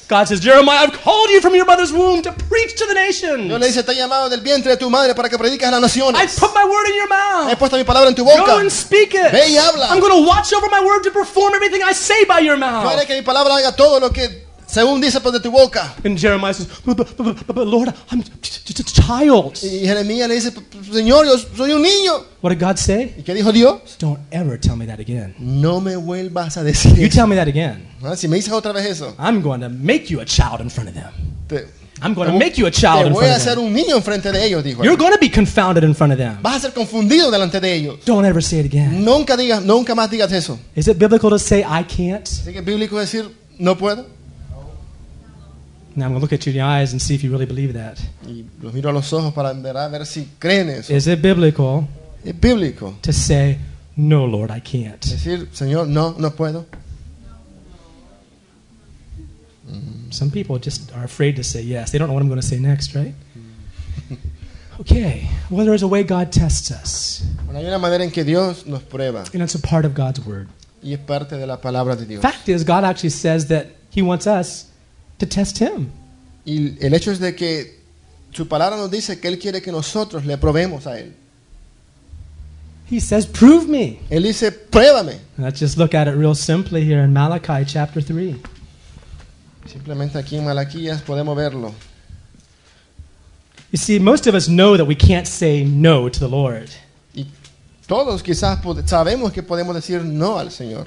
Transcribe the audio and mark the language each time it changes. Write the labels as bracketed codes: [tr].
[en] God says, Jeremiah, I've called you from your mother's womb to preach to the nations. [es] Dios le dice, te he llamado del vientre de tu madre para que prediques a las naciones. [en] I put my word in your mouth. [es] He puesto mi palabra en tu boca. [en] Go and speak it. [es] Ve y habla. [en] I'm going to watch over my word to perform everything I say by your mouth. [es] Yo haré que mi palabra haga todo lo que según dice por de tu boca. [en] And Jeremiah says, but Lord, I'm just a child. [es] Y Jeremías le dice, Señor, yo soy un niño. [en] What did God say? [es] ¿Y qué dijo Dios? [en] Don't ever tell me that again. [es] No me vuelvas a decir. [en] You tell me that again. [es] Ah, si me dices otra vez eso. [en] I'm going to make you a child in front of them. I'm going to make you a child [es] te voy [en] in front [es] a hacer [en] of them. [es] Un niño enfrente de ellos, dijo. [en] You're going to be confounded in front of them. [es] Vas a ser confundido delante de ellos. [en] Don't ever say it again. [es] Nunca digas, nunca más digas eso. [en] Is it biblical to say I can't? [es] ¿Es que bíblico decir no puedo? [en] Now I'm going to look at you in the eyes and see if you really believe that. [es] Y los miro a los ojos para ver si creen eso. [en] Is it biblical? [es] ¿Es bíblico? [en] To say, no, Lord, I can't. [es] Decir, Señor, no, no puedo. [en] Some people just are afraid to say yes. They don't know what I'm going to say next, right? Okay. Well, there is a way God tests us. [es] Bueno, hay una manera en que Dios nos prueba. [en] And it's a part of God's word. [es] Y es parte de la palabra de Dios. [en] Fact is, God actually says that He wants us to test him. [es] Y el hecho es de que su palabra nos dice que él quiere que nosotros le probemos a él. [en] He says, "Prove me." [es] Él dice, "Pruébame." [en] Let's just look at it real simply here in Malachi chapter 3. [es] Simplemente aquí en Malaquías podemos verlo. [en] You see, most of us know that we can't say no to the Lord. [es] Y todos quizás sabemos que podemos decir no al Señor.